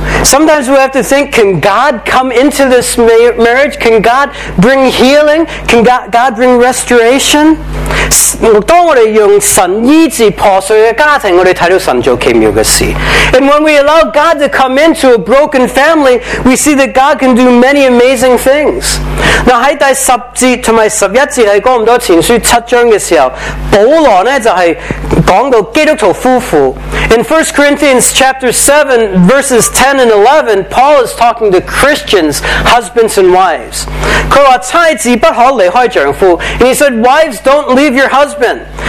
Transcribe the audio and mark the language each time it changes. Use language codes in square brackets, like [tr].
[en] Sometimes we have to think, can God come into this marriage? Can God bring healing? Can God bring restoration? [zh] 当我们用神医治破碎的家庭，我们看到神做奇妙的事。 [en] And when we allow God to come into a broken family, we see that God can do many amazing things. [zh] 那在第十节和十一节，在哥林多前书七章的时候，保罗呢就是讲到基督徒夫妇。 [en] In 1 Corinthians chapter 7, verses 10 and 11, Paul is talking to Christians, husbands and wives. [zh] 他说妻子不可离开丈夫。 [en] And he said, wives, don't leave your husband.